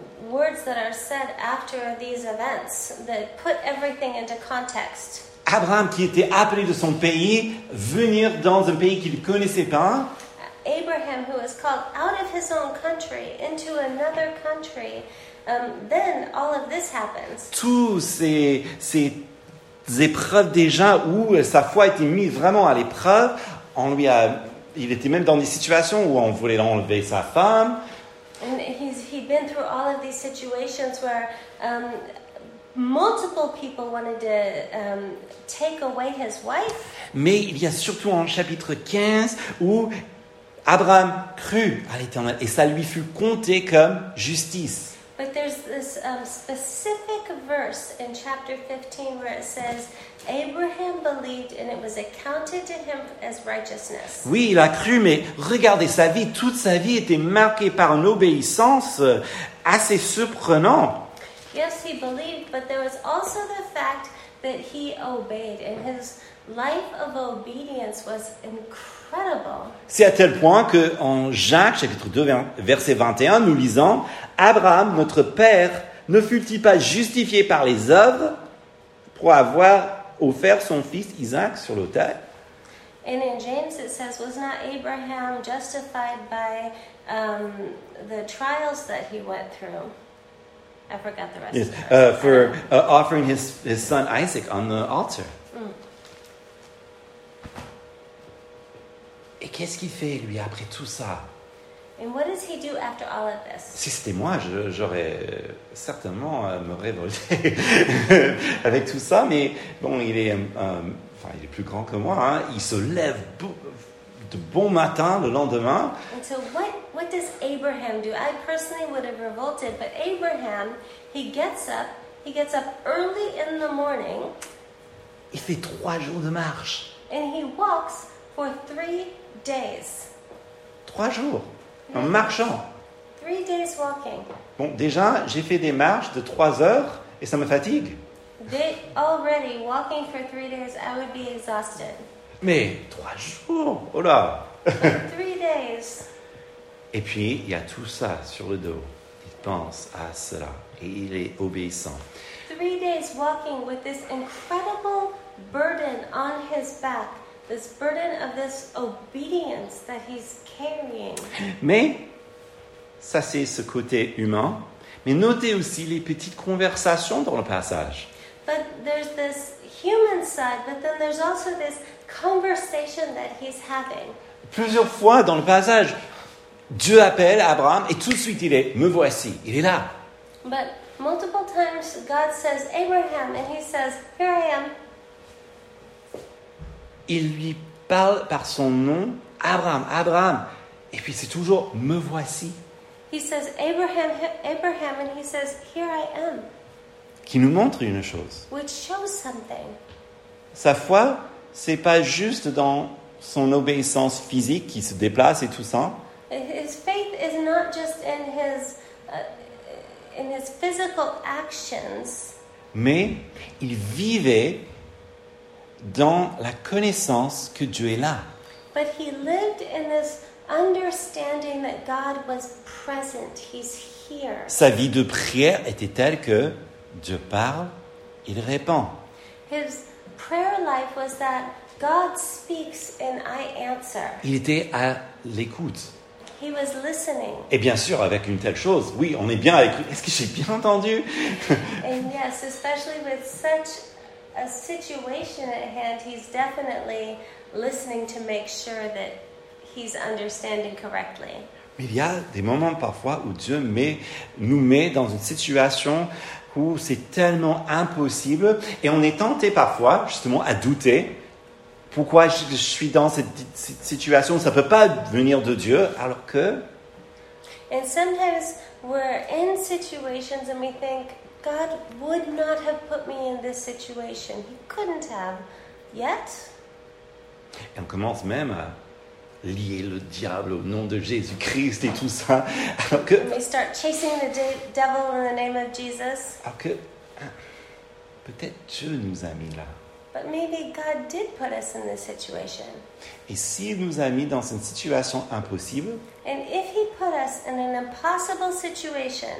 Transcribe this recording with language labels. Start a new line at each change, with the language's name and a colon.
English: words that are said after these events that put everything into context.
French: Abraham, qui était appelé de son pays, venir dans un pays qu'il ne connaissait pas.
English: Abraham, who was called out of his own country into another country, then all of this happens.
French: Tous ces épreuves déjà où sa foi a été mise vraiment à l'épreuve, il était même dans des situations où on voulait enlever sa femme.
English: And he'd been through all of these situations where multiple people wanted to take away his wife.
French: Mais il y a surtout en chapitre 15 où Abraham crut à l'Éternel et ça lui fut compté comme justice.
English: But there's this specific verse in chapter 15 where it says Abraham believed and it was accounted to him as righteousness.
French: Oui, il a cru, mais regardez, sa vie, toute sa vie était marquée par une obéissance assez surprenante.
English: Yes, he believed, but there was also the fact that he obeyed, and his life of obedience was incredible.
French: C'est à tel point que en Jacques chapitre 2 verset 21, nous lisons: Abraham, notre père, ne fut-il pas justifié par les œuvres pour avoir offert son fils Isaac sur l'autel?
English: And in James it says, was not Abraham justified by the trials that he went through? I forgot the rest. Yes, for offering his son Isaac on the altar. Mm.
French: Et qu'est-ce qu'il fait lui après tout ça?
English: And what does he do after all of this?
French: Si c'était moi, j'aurais certainement me révolté avec tout ça. Mais bon, il est plus grand que moi. Hein. Il se lève de bon matin le lendemain.
English: And so what does Abraham do? I personally would have revolted, but Abraham, he gets up early in the morning.
French: Il fait 3 jours de marche.
English: And he walks for 3 days.
French: 3 jours, mm-hmm. En marchant.
English: 3 days walking.
French: Bon, déjà, j'ai fait des marches de 3 heures et ça me fatigue.
English: Already walking for 3 days, I would be exhausted.
French: Mais 3 jours, oh là.
English: 3 days.
French: Et puis, il y a tout ça sur le dos. Il pense à cela. Et il est obéissant.
English: 3 days walking with this incredible burden on his back. This burden of this obedience that he's carrying.
French: Mais, ça c'est ce côté humain. Mais notez aussi les petites conversations dans le passage.
English: But there's this human side, but then there's also this conversation that he's having. Plusieurs fois dans le passage, Dieu appelle Abraham et tout de suite il est, me voici, il est là. But multiple times God says Abraham and he says, here I am.
French: Il lui parle par son nom, Abraham, Abraham. Et puis c'est toujours, me voici.
English: He says Abraham, Abraham and he says, here I am.
French: Qui nous montre une chose.
English: Which shows something.
French: Sa foi, c'est pas juste dans son obéissance physique qui se déplace et tout ça.
English: His faith is not just in his physical actions.
French: Mais il vivait dans la connaissance que Dieu est là.
English: But he lived in this understanding that God was present. He's here.
French: Sa vie de prière était telle que Dieu parle, il répond.
English: His prayer life was that God speaks and I answer.
French: Il était à l'écoute.
English: He was listening.
French: Et bien sûr, avec une telle chose, oui, on est bien à l'écoute. Est-ce que j'ai bien entendu?
English: And yes, especially with such a situation at hand, he's definitely listening to make sure that he's understanding correctly.
French: Mais il y a des moments parfois où Dieu nous met dans une situation où c'est tellement impossible et on est tenté parfois justement à douter. Pourquoi je suis dans cette situation? Ça ne peut pas venir de Dieu, alors que...
English: And sometimes we're in situations and we think, God would not have put me in this situation. He couldn't have yet.
French: Et on commence même à lier le diable au nom de Jésus-Christ et tout ça. Alors que...
English: And we start chasing the devil in the name of Jesus.
French: Alors que... Peut-être Dieu nous a mis là.
English: But maybe God did put us in this situation.
French: Et s'il nous a mis dans une situation impossible,
English: and if he put us in an impossible situation,